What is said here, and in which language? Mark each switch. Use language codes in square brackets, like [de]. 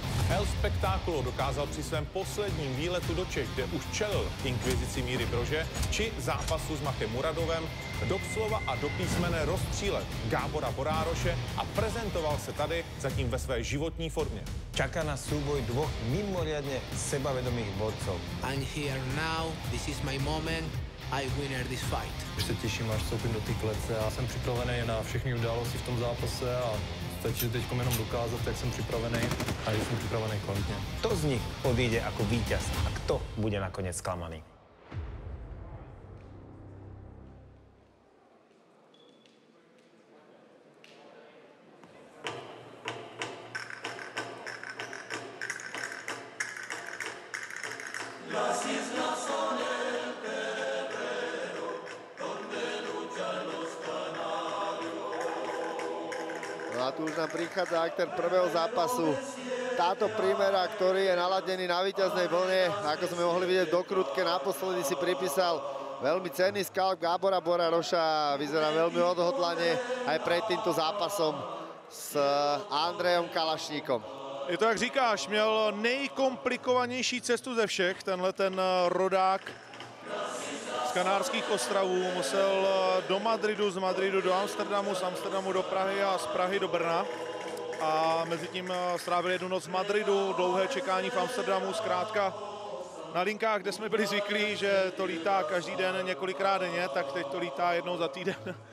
[cs] El Spectáculo dokázal při svém posledním výletu do Čech, kde už čelil inkvizici Míry Brože, či zápasu s Machem Muradovem, doslova a do písmene rozstřílet Gábora Borároše a prezentoval se tady zatím ve své životní formě. Čaká na souboj dvou mimořádně sebavědomých borců. [en] I'm here now, this is my moment, I win this fight. [cs] Už se těším, až vstoupím do té klece a jsem připravený na všechny události v tom zápase a stačí teď jenom dokázat, jak jsem připravený a jak jsem připravený kvalitně. [sk] Kto z nich odjde jako vítěz a kto bude nakonec zklamaný? Prichádza aktér prvého zápasu Tato Primera, ktorý je naladený na víťaznej vlne. Ako sme mohli vidieť, do krútke naposledy si pripísal veľmi cenný skalp Gábora Borároša. Vyzerá veľmi odhodlane aj pred týmto zápasom s Andrejom Kalašníkom. [cs] Je to, jak říkáš, měl nejkomplikovanější cestu ze všech, tenhle ten rodák z Kanárských ostrovů. Musel do Madridu, z Madridu do Amsterdamu, z Amsterdamu do Prahy a z Prahy do Brna. A mezi tím strávil jednu noc v Madridu, dlouhé čekání v Amsterdamu, zkrátka na linkách, kde jsme byli zvyklí, že to lítá každý den několikrát denně, tak teď to lítá jednou za týden.